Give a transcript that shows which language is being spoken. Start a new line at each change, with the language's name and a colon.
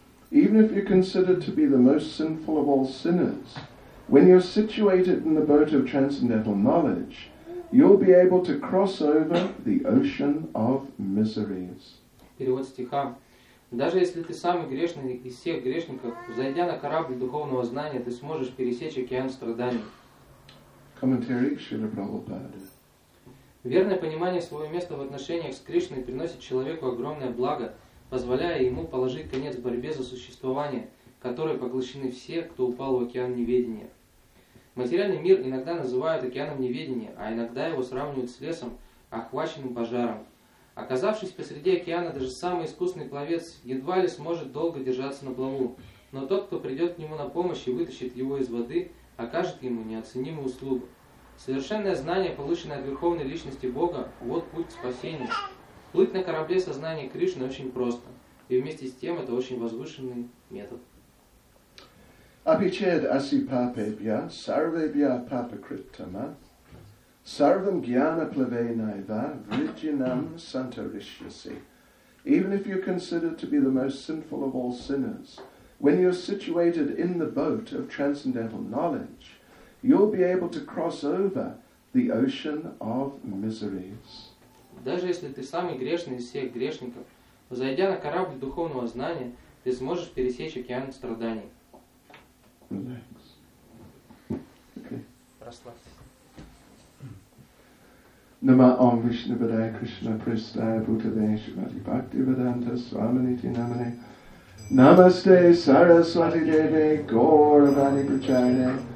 English: Even if you're considered to be the most sinful of all sinners, when you're situated in the boat of transcendental knowledge, you'll be able to cross over the ocean of miseries.
Russian: Перевод стиха. Даже если ты самый грешный из всех грешников, зайдя на корабль духовного знания, ты сможешь пересечь океан страданий.
English: Commentary Srila Prabhupada.
Russian: Верное понимание своего места в отношениях с Кришной приносит человеку огромное благо, позволяя ему положить конец борьбе за существование, которой поглощены все, кто упал в океан неведения. Материальный мир иногда называют океаном неведения, а иногда его сравнивают с лесом, охваченным пожаром. Оказавшись посреди океана, даже самый искусный пловец едва ли сможет долго держаться на плаву, но тот, кто придет к нему на помощь и вытащит его из воды, окажет ему неоценимую услугу. Совершенное знание, полученное от Верховной Личности Бога, вот путь к спасению. Плыть на корабле сознания Кришны очень просто. И вместе с тем это очень возвышенный метод.
Sanskrit: Апичед аси папебья, сарвебья папакриттама, сарвам гьяна плавейнайва, вриджинам сантаришьяси.
English: Even if you're considered to be the most sinful of all sinners, when you're situated in the boat of transcendental knowledge, you'll be able to cross over the ocean of miseries.
Russian: Даже если ты самый грешный из всех грешников, зайдя на корабль духовного знания, ты сможешь пересечь океан страданий.
English: Relax. Okay.
Russian: Расслабься.
Sanskrit: Нама Ом Вишну Падая Кришна Пристая Бхутадея Шримати Бхакти Веданта Свамини Тинамани Намасте Сарасвати Деве Гауравани Прачайне